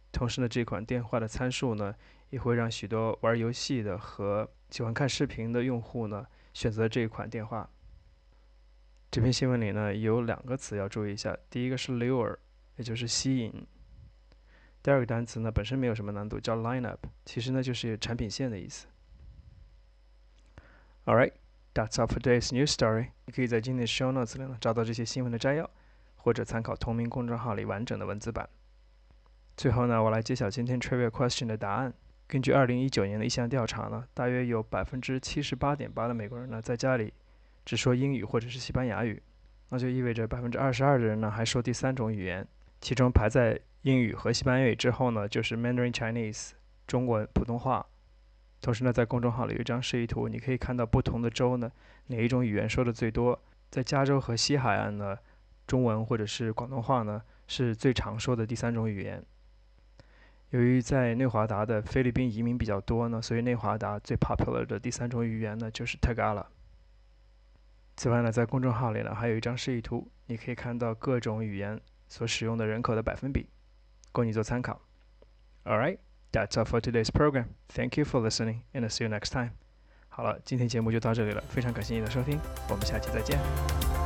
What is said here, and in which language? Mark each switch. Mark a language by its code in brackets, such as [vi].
[zh] 同时呢，这款电话的参数呢，也会让许多玩游戏的和喜欢看视频的用户呢，选择这一款电话。这篇新闻里呢，有两个词要注意一下，第一个是 lure， 也就是吸引。第二个单词呢，本身没有什么难度，叫 lineup， 其实呢就是产品线的意思。 [en] All right, that's all for today's news story. [zh] 你可以在今天的 show notes 里呢找到这些新闻的摘要，或者参考同名公众号里完整的文字版。最后呢，我来揭晓今天 trivia question 的答案。根据2019年的一项调查呢，大约有 78.8% 的美国人呢在家里只说英语或者是西班牙语，那就意味着 22% 的人呢还说第三种语言，其中排在英语和西班牙语之后呢，就是 Mandarin Chinese 中文普通话。同时呢，在公众号里有一张示意图，你可以看到不同的州呢哪一种语言说的最多。在加州和西海岸呢，中文或者是广东话呢是最常说的第三种语言。由于在内华达的菲律宾移民比较多呢，所以内华达最 popular 的第三种语言呢就是 Tagalog。此外呢，在公众号里呢还有一张示意图，你可以看到各种语言所使用的人口的百分比，供你做参考。 [en] All right, that's all for today's program. Thank you for listening, and I'll see you next time. [zh] 好了，今天节目就到这里了，非常感谢你的收听，我们下期再见。